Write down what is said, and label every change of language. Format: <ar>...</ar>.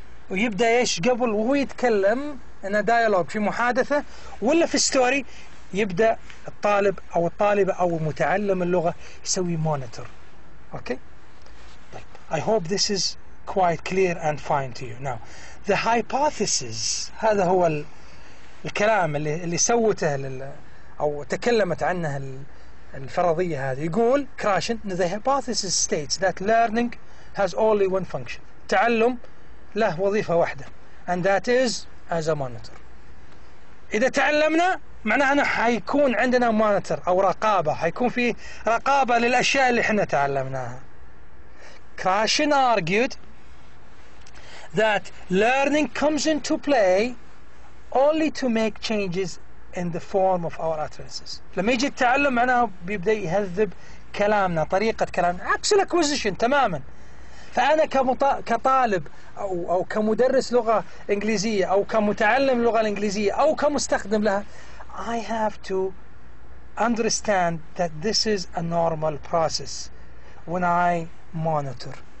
<ar>ويبدا ايش قبل وهو يتكلم</ar> <en>in a dialogue</en> <ar>في محادثه ولا في story, يبدا الطالب او الطالبه او متعلم اللغه يسوي monitor.</ar> <en>Okay, طيب I hope this is quite clear and fine to you. Now the hypothesis,</en> <ar>هذا هو الكلام اللي سوته أو تكلمت عنها الفرضية هذه. يقول كراشن,</ar> <en>the hypothesis states that learning has only one function,</en> <ar>تعلم له وظيفة واحدة,</ar> <en>and that is as a monitor.</en> <ar>إذا تعلمنا معناها أنه حيكون عندنا monitor أو رقابة, حيكون في رقابة للأشياء اللي احنا تعلمناها.</ar> <en>Krashen argued that learning comes into play only to make changes in the form of our utterances.</en> <ar>لما يجي التعلم معناه بيبدأ يهذب كلامنا, طريقة كلامنا, عكس الاكوزيشن تماما. فأنا كطالب أو كمدرس لغة إنجليزية أو كمتعلم لغة الإنجليزية أو كمستخدم لها,</ar> <en>I have to understand that this is a normal process when I monitor.</en>